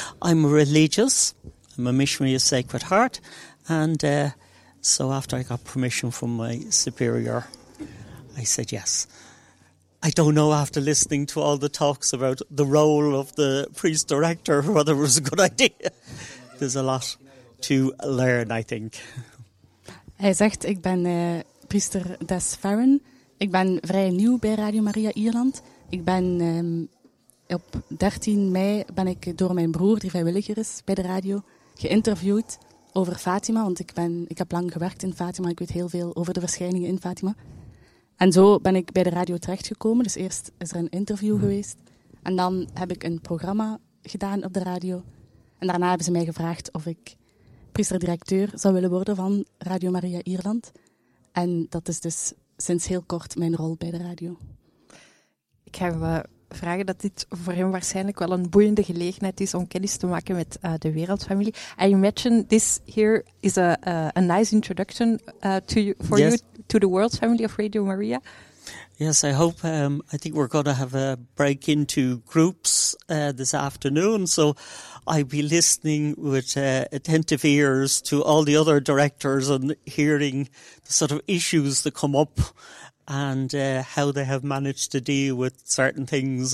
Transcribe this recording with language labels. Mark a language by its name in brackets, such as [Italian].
[English] I'm religious, I'm a missionary of Sacred Heart, and so after I got permission from my superior, I said yes. I don't know, after listening to all the talks about the role of the priest director, whether it was a good idea. There's a lot to learn, I think. [Dutch] Hij zegt, ik ben priester Des Farren. Ik ben vrij nieuw bij Radio Maria Ierland. Ik ben op 13 mei ben ik door mijn broer, die vrijwilliger is bij de radio, geïnterviewd over Fatima. Want ik heb lang gewerkt in Fatima, ik weet heel veel over de verschijningen in Fatima. En zo ben ik bij de radio terechtgekomen. Dus eerst is er een interview geweest. En dan heb ik een programma gedaan op de radio. En daarna hebben ze mij gevraagd of ik priester-directeur zou willen worden van Radio Maria Ierland. En dat is dus sinds heel kort mijn rol bij de radio. Ik heb vragen dat dit voor hem waarschijnlijk wel een boeiende gelegenheid is om kennis te maken met de wereldfamilie. [English] I imagine this here is a nice introduction to you, for yes. You to the world family of Radio Maria. Yes, I hope. I think we're going to have a break into groups this afternoon. So I'll be listening with attentive ears to all the other directors and hearing the sort of issues that come up and how they have managed to deal with certain things.